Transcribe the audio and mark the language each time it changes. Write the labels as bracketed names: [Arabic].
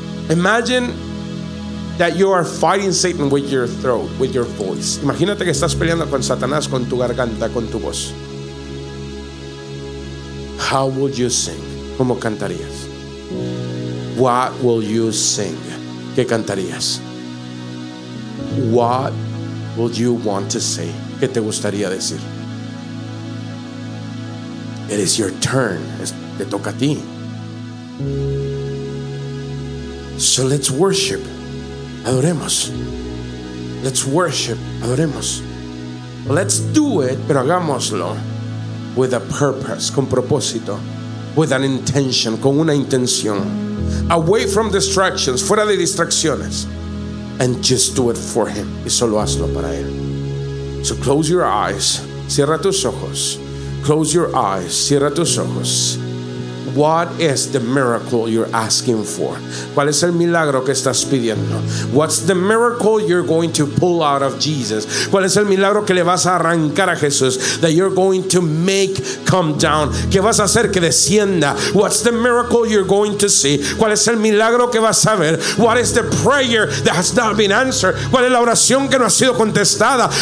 [English] Imagine that you are fighting Satan with your throat, with your voice. [Spanish] Imagínate que estás peleando con Satanás con tu garganta, con tu voz. [English] How would you sing? [Spanish] ¿Cómo cantarías? [English] What will you sing? [Spanish] ¿Qué cantarías? [English] What would you want to say? [Spanish] ¿Qué te gustaría decir? [English] It is your turn. [Spanish] Te toca a ti. [English] So let's worship. [Spanish] Adoremos. [English] Let's worship. Adoremos. Let's do it, [Spanish] pero hagámoslo [English] with a purpose, [Spanish] con propósito, [English] with an intention, [Spanish] con una intención. [English] Away from distractions, [Spanish] fuera de distracciones. [English] And just do it for him. [Spanish] Y solo hazlo para él. [English] So close your eyes. [Spanish] Cierra tus ojos. [English] Close your eyes. [Spanish] Cierra tus ojos. [English] What is the miracle you're asking for? [Spanish] ¿Cuál es el milagro que estás pidiendo? [English] What's the miracle you're going to pull out of Jesus? [Spanish] ¿Cuál es el milagro que le vas a arrancar a Jesús? [English] That you're going to make come down. [Spanish] ¿Qué vas a hacer que descienda? [English] What's the miracle you're going to see? [Spanish] ¿Cuál es el milagro que vas a ver? [English] What is the prayer that has not been answered? [Spanish] ¿Cuál es la oración que no ha sido contestada?